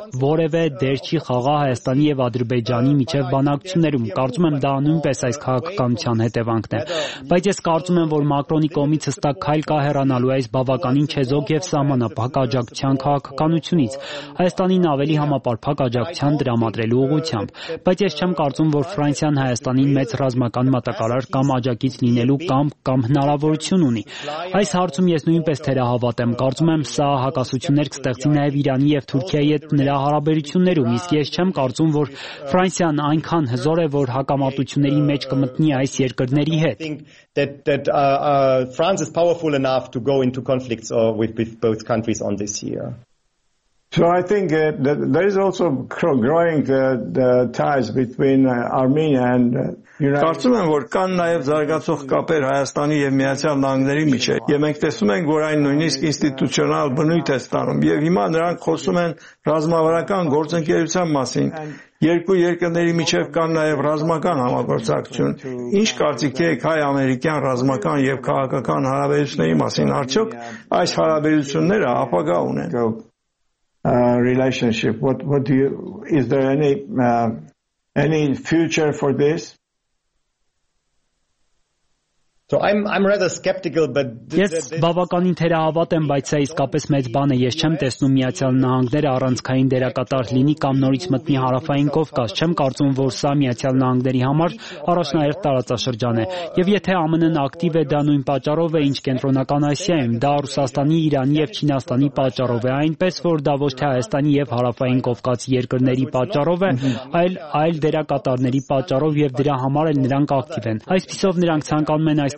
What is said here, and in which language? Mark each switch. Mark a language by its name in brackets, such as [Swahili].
[Armenian] որևէ դեր չի խաղա Հայաստանի եւ Ադրբեջանի միջև բանակցություններում։ Կարծում եմ, դա նույնպես այս քաղաքականության հետևանքն է։ Բայց ես կարծում եմ, որ Մակրոնի կողմից հստակ քայլ կա հեռանալու այս բավականին չեզոք եւ սահմանափակ աջակցության քաղաքականությունից, Հայաստանին ավելի համապարփակ աջակցության դրամադրելու ուղղությամբ։ Բայց ես չեմ կարծում, որ Ֆրանսիան Հայաստանին մեծ ռազմական մատակարար կամ աջակից լինելու կամ հնարավորություն ունի։ Այս հարցում ես նույնպես թերահավատ եմ։ Կարծում եմ, սա հակասություններ կստեղծի նաև Իրանի եւ Թուրքիայի հետ նրա հարաբերություններում, իսկ ես չեմ կարծում, որ Ֆրանսիան այնքան հզոր է, որ հակամարտությունների մեջ կմտնի այս երկրների հետ։ [English] France is powerful enough to go into conflicts with both countries on this year. So I think that there is also growing the ties between Armenia and [Armenian] Կարծում եմ, որ կան նաև զարգացող կապեր Հայաստանի եւ Միացյալ Նահանգների միջեւ, եւ մենք տեսնում ենք, որ այն նույնիսկ ինստիտուցիոնալ բնույթ է ստանում, եւ հիմա նրանք խոսում են ռազմավարական գործընկերության մասին։ Երկու երկրների միջև կան նաև ռազմական համագործակցություն։ Ինչ կարծիք եք հայ-ամերիկյան ռազմական եւ քաղաքական հարաբերությունների մասին, արդյոք այս հարաբերությունները ապագա ունեն։ [English] Relationship, what do you, is there any future for this? So I'm rather skeptical, but [Armenian] Ես բավականին թերահավատ եմ, բայց սա իսկապես մեծ բան է։ Ես չեմ տեսնում Միացյալ Նահանգները առանցքային դերակատար լինի կամ նորից մտնի հարավային Կովկաս։ Չեմ կարծում, որ սա Միացյալ Նահանգների համար առաջնահերթ տարածաշրջան է։ Եվ եթե ԱՄՆ-ն ակտիվ է, դա նույն պատճառով է, ինչ Կենտրոնական Ասիայում, դա Ռուսաստանի, Իրանի եւ Չինաստանի պատճառով է, այնպես որ դա ոչ թե Հայաստանի եւ հարավային Կովկաս երկրների պատճառով է, այլ դերակատարների պատճառով, եւ դրա համար էլ նրանք ակտիվ են։ Այսպիսով նրանք ցանկանում են այս